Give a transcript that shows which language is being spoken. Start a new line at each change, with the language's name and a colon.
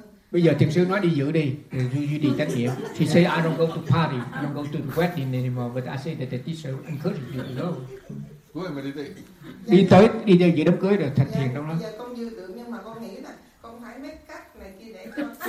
Vietnamese: Bây giờ thiền sư nói đi giữ đi, duy trì trách nhiệm.
English: She say I don't go to party, I don't go to the wedding anymore, but I say that the teacher encourage you to go. Go and meditate.
Vietnamese: Đi tới, đi tới đám cưới rồi thành thiền đúng không? Giờ con dư tưởng nhưng mà con nghĩ là con phải biết cách này kia để cho.